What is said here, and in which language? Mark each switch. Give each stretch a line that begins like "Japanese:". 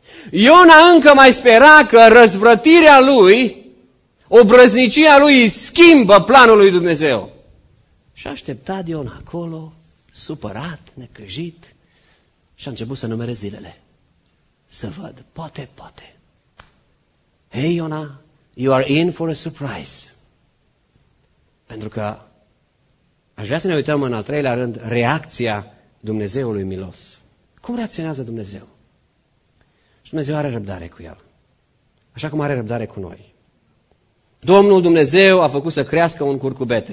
Romanian: Iona încă mai spera că răzvrătirea lui, obrăznicia lui, schimbă planul lui Dumnezeu. Și a așteptat Iona acolo, supărat, necăjit, și a început să numere zilele. Să văd, poate, poate.
English: Hei, Iona, you are in for a surprise.
Romanian: Pentru că aș vrea să ne uităm în al treilea rând reacția Dumnezeului milos. Cum reacționează Dumnezeu? Și Dumnezeu are răbdare cu el. Așa cum are răbdare cu noi. Domnul Dumnezeu a făcut să crească un curcubete.